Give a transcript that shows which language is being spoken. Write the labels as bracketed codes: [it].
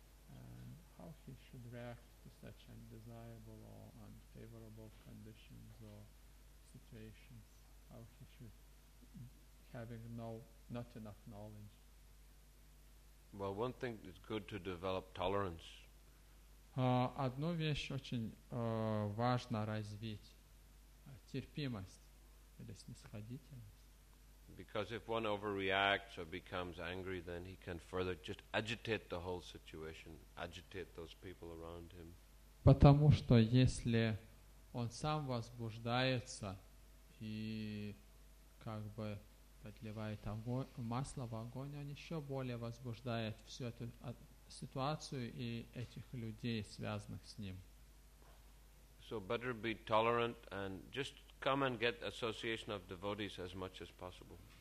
[en] And how he should react to such undesirable or unfavorable conditions or situations? How he should, having not enough knowledge? Well, one thing is good to develop tolerance. [ru] Одну вещь очень важно развить. Терпимость или снисходительность. [en] Because if one overreacts or becomes angry, then he can further just agitate the whole situation, agitate those people around him. [ru] Потому что если он сам возбуждается и как бы подливает масло в огонь, он еще более возбуждает всю эту ситуацию и этих людей, связанных с ним. [en] So better be tolerant and just come and get association of devotees as much as possible.